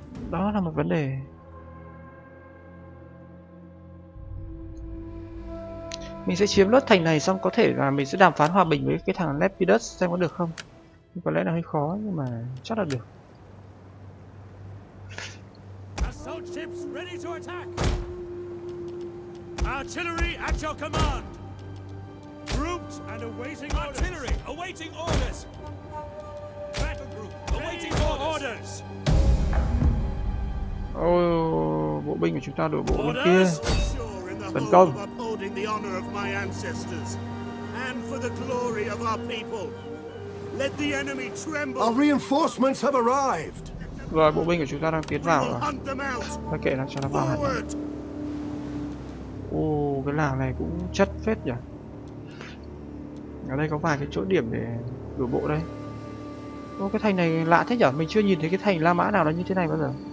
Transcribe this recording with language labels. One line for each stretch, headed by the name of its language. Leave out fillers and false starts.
Vietnamese: Đó là một vấn đề. Mình sẽ chiếm lốt thành này xong có thể là mình sẽ đàm phán hòa bình với cái thằng Lepidus xem có được không. Có lẽ là hơi khó nhưng mà chắc là được.
English: Assault ships ready to attack. Artillery at your command. Grouped and awaiting orders. Artillery awaiting orders. Battle group awaiting for orders.
Vietnamese: Oh, bộ binh của chúng ta đổ bộ bên kia. Tấn công.
English: Upholding the honor of my ancestors and for the glory of our people. Let the enemy tremble. Our reinforcements have arrived.
Vietnamese: Rồi bộ binh của chúng ta đang tiến vào rồi. Ta kệ nó cho nó vào. Ô, cái làng này cũng chất phết nhỉ. Ở đây có vài cái chỗ điểm để đổ bộ đây. Ô, cái thành này lạ thế nhở? Mình chưa nhìn thấy cái thành La Mã nào nó như thế này bao giờ.